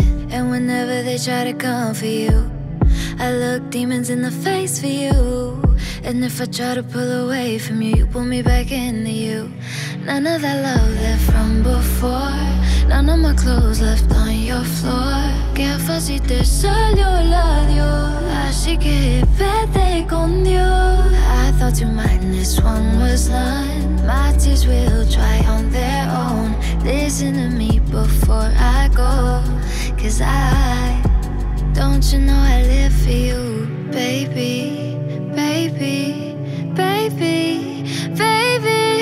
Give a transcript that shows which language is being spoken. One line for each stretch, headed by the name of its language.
English: And whenever they try to come for you, I look demons in the face for you. And if I try to pull away from you, you pull me back into you. None of that love left from before, none of my clothes left on your floor.
Spanish: Qué fácil te salió el adiós, así que vete con Dios.
English: I thought you might, this one was none. My tears will dry on their own. Listen to me before I go, 'cause I, don't you know I live for you, baby, baby, baby, baby.